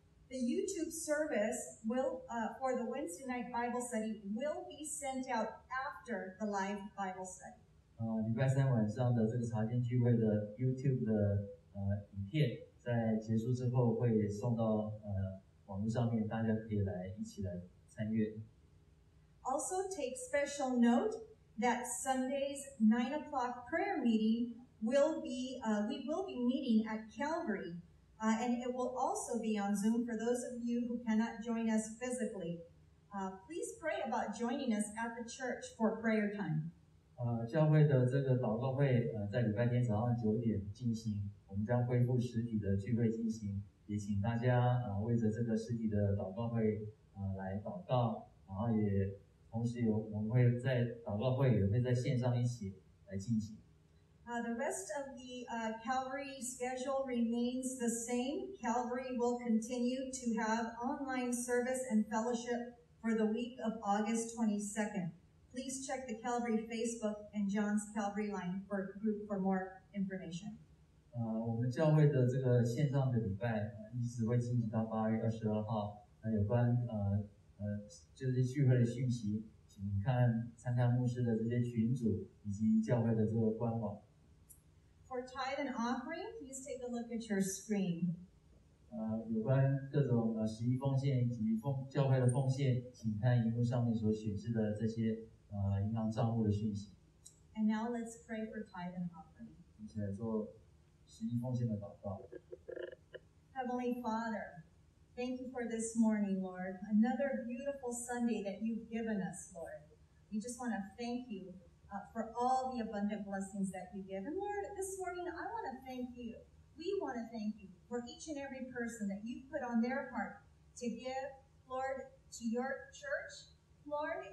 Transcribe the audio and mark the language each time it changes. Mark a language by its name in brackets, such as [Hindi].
[English] The YouTube service for the Wednesday night Bible study will be sent out after the live Bible study. [Chinese] 礼拜三晚上的这个查经聚会的 YouTube 的影片，在结束之后会送到网络上面，大家可以来一起来参与。 [English] Also take special note that Sunday's 9 o'clock prayer meeting will be meeting at Calvary, and it will also be on Zoom for those of you who cannot join us physically. Please pray about joining us at the church for prayer time. [Chinese] 教会的这个祷告会在礼拜天早上九点进行，我们将恢复实体的聚会进行，也请大家为着这个实体的祷告会来祷告。然后也同时有我们会在祷告会也会在线上一起来进行。 [English] The rest of the Calvary schedule remains the same. Calvary will continue to have online service and fellowship for the week of August 22nd. Please check the Calvary Facebook and John's Calvary Line for group for more information. [Chinese] 我们教会的这个线上的礼拜一直会进行到8月22号。那有关就是聚会的讯息，请看参加牧师的这些群组以及教会的这个官网。 [English] For tithe and offering, please take a look at your screen. [Chinese] 有关各种十一奉献以及教会的奉献，请看荧幕上面所显示的这些银行账户的讯息。 [English] And now let's pray for tithe and offering. [Chinese] 一起来做十一奉献的祷告。 [English] Heavenly Father, thank you for this morning, Lord. Another beautiful Sunday that you've given us, Lord. We just want to thank you for all the abundant blessings that you give. And Lord, this morning, I want to thank you. We want to thank you for each and every person that you've put on their heart to give, Lord, to your church, Lord.